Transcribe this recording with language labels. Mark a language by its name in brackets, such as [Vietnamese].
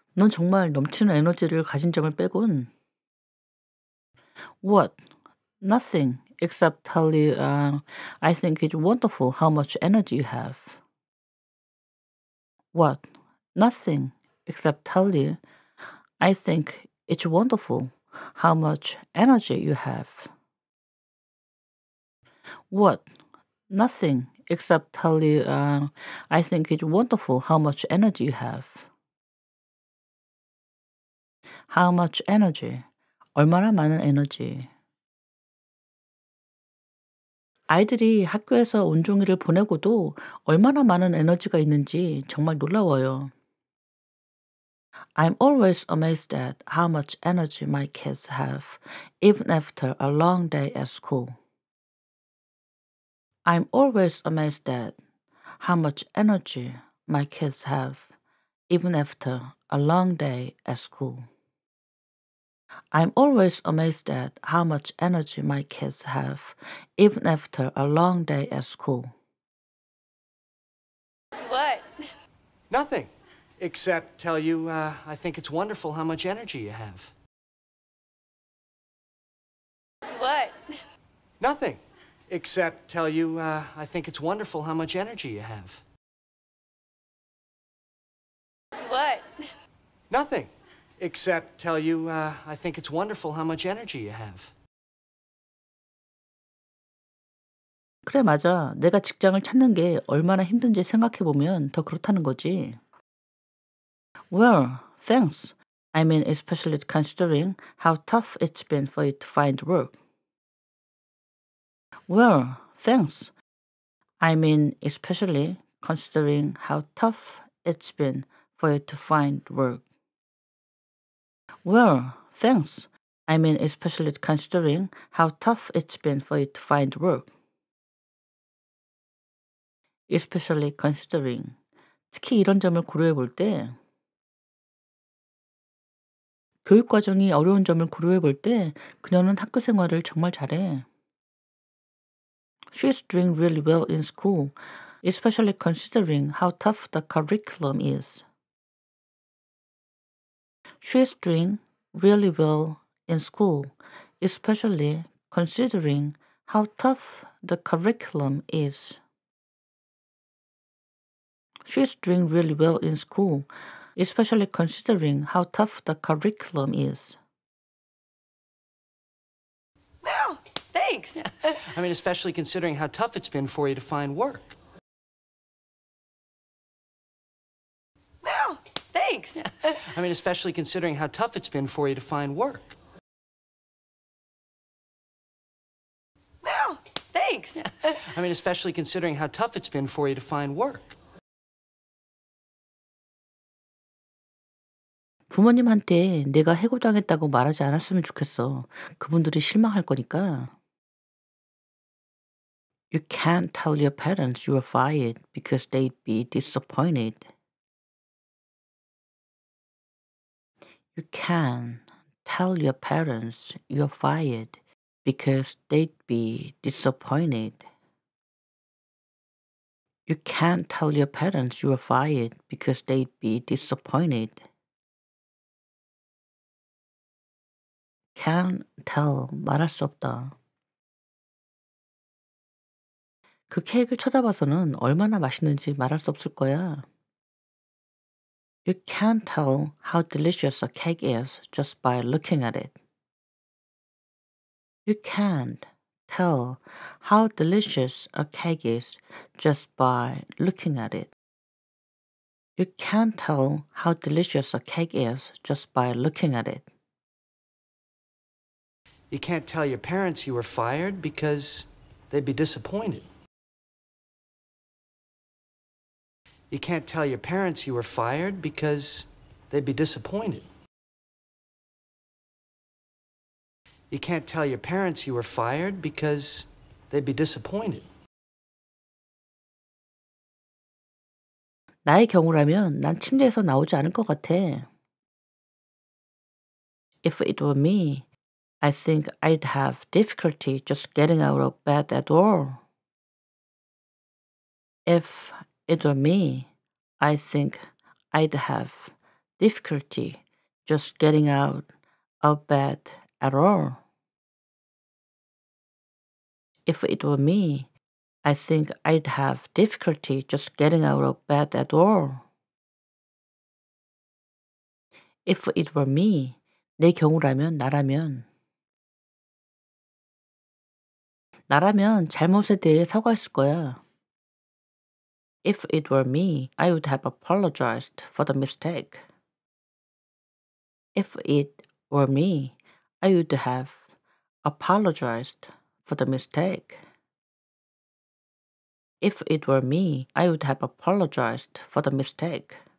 [Korean] 넌 정말 넘치는 에너지를 가진 점을 빼곤. [English] What? Nothing. Except tell you, I think it's wonderful how much energy you have. What? Nothing. Except tell you, I think it's wonderful how much energy you have. What? Nothing. Except tell you, I think it's wonderful how much energy you have. How much energy? [Korean] 얼마나 많은 에너지? 아이들이 학교에서 온종일을 보내고도 얼마나 많은 에너지가 있는지 정말 놀라워요. [English] I'm always amazed at how much energy my kids have, even after a long day at school. I'm always amazed at how much energy my kids have, even after a long day at school. I'm always amazed at how much energy my kids have, even after a long day at school. What? Nothing. Except tell you, I think it's wonderful how much energy you have. What? Nothing. Except tell you, I think it's wonderful how much energy you have. What? Nothing. Except tell you, I think it's wonderful how much energy you have. [Korean] 그래, 맞아. 내가 직장을 찾는 게 얼마나 힘든지 생각해보면 더 그렇다는 거지. [English] Well, thanks. I mean, especially considering how tough it's been for you to find work. Well, thanks. I mean, especially considering how tough it's been for you to find work. Well, thanks. I mean, especially considering how tough it's been for you to find work. Especially considering. [Korean] 특히 이런 점을 고려해 볼 때 교육 과정이 어려운 점을 고려해 볼 때 그녀는 학교 생활을 정말 잘해. [English] She's doing really well in school, especially considering how tough the curriculum is. She's doing really well in school, especially considering how tough the curriculum is. She's doing really well in school, especially considering how tough the curriculum is. Well, thanks. I mean, especially considering how tough it's been for you to find work. Well, thanks. I mean, especially considering how tough it's been for you to find work. Well, thanks. I mean, especially considering how tough it's been for you to find work. [Korean] 부모님한테 내가 해고당했다고 말하지 않았으면 좋겠어. 그분들이 실망할 거니까. [English] You can't tell your parents you were fired because they'd be disappointed. You can't tell your parents you were fired because they'd be disappointed. You can't tell your parents you were fired because they'd be disappointed. Can't tell [Korean] 말할 수 없다. 그 케이크를 쳐다봐서는 얼마나 맛있는지 말할 수 없을 거야. [English] You can't tell how delicious a cake is just by looking at it. You can't tell how delicious a cake is just by looking at it. You can't tell how delicious a cake is just by looking at it. You can't tell your parents you were fired because they'd be disappointed. You can't tell your parents you were fired because they'd be disappointed. You can't tell your parents you were fired because they'd be disappointed. [Korean] 나의 경우라면 난 침대에서 나오지 않을 것 같아. [English] If it were me, I think I'd have difficulty just getting out of bed at all. If it were me, I think I'd have difficulty just getting out of bed at all. If it were me, I think I'd have difficulty just getting out of bed at all. If it were me, [Korean] 내 경우라면 나라면. 나라면 잘못에 대해 사과했을 거야. [English] If it were me, I would have apologized for the mistake. If it were me, I would have apologized for the mistake. If it were me, I would have apologized for the mistake.